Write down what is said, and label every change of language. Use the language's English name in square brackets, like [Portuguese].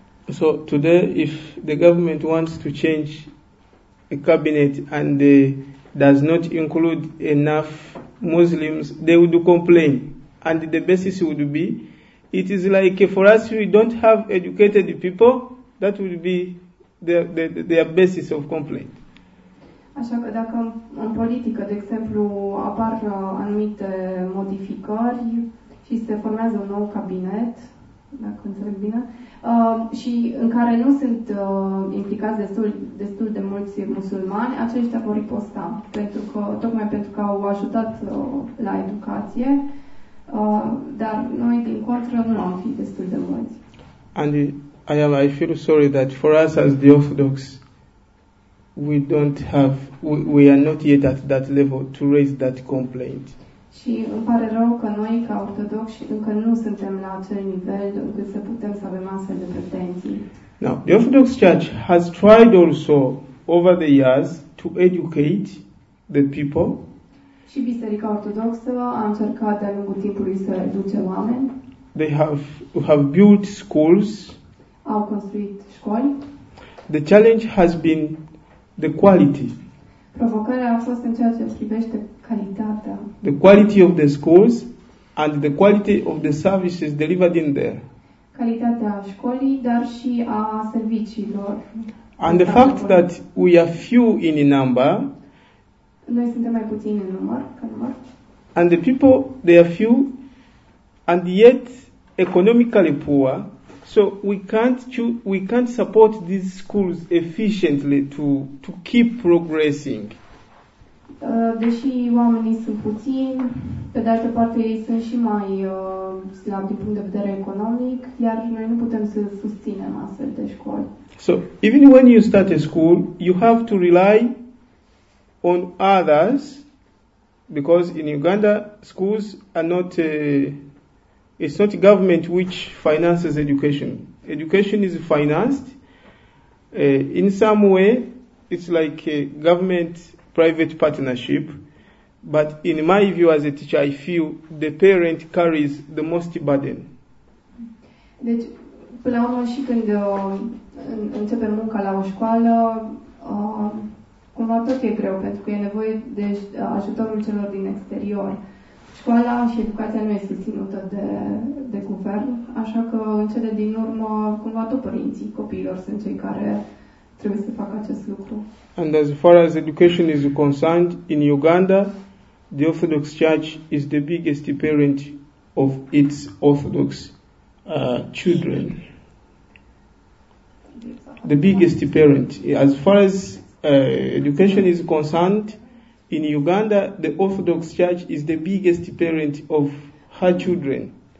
[English] So today, if the government wants to change a cabinet and they does not include enough Muslims, they would complain. And the basis would be, it is like for us, we don't have educated people, that would be their basis of complaint. [Romanian] Așa că dacă în politică, de exemplu, apar anumite modificări și se formează un nou cabinet, dacă înțeleg bine, și în care nu sunt implicați destul de mulți musulmani, aceștia vor riposta, pentru că tocmai pentru că au ajutat la educație, dar noi din contră nu am fi destul de mulți. [English] And I feel sorry that for us as the Orthodox, we are not yet at that level to raise that complaint. [Romanian] Și îmi pare rău că noi, ca ortodoxi, încă nu suntem la acel nivel încât să putem să avem astfel de pretenții. [English] Now, the Orthodox Church has tried also over the years to educate the people. [Romanian] Și Biserica Ortodoxă a încercat de-a lungul timpului să educe oameni. [English] They have built schools. [Romanian] Au construit școli. [English] The challenge has been the quality. [Romanian] Provocarea a fost în ceea ce privește calitatea. [English] The quality of the schools and the quality of the services delivered in there. [Romanian] Calitatea școlii, dar și a serviciilor. [English] And the fact that we are few in number. [Romanian] Noi suntem mai puțini în număr, ca număr. [English] And the people, they are few and yet economically poor. So we can't support these schools efficiently to keep progressing. [Romanian] Deși oamenii sunt puțini, pe de altă parte ei sunt și mai slab din punct de vedere economic, iar noi nu putem să susținem astfel de școli. [English] So even when you start a school, you have to rely on others, because in Uganda schools are not it's not a government which finances education. Education is financed in some way. It's like a government-private partnership. But in my view as a teacher, I feel the parent carries the most burden. [Romanian] Deci, până la urmă, și când începe munca la o școală, cumva tot e greu, pentru că e nevoie de ajutorul celor din exterior. Școala și educația nu este susținută de guvern, așa că în cele din urmă, cumva tot părinții copiilor sunt cei care trebuie să facă acest lucru. [English] And as far as education is concerned, in Uganda, the Orthodox Church is the biggest parent of its Orthodox children. The biggest parent. As far as education is concerned, in Uganda, the Orthodox Church is the biggest parent of her children.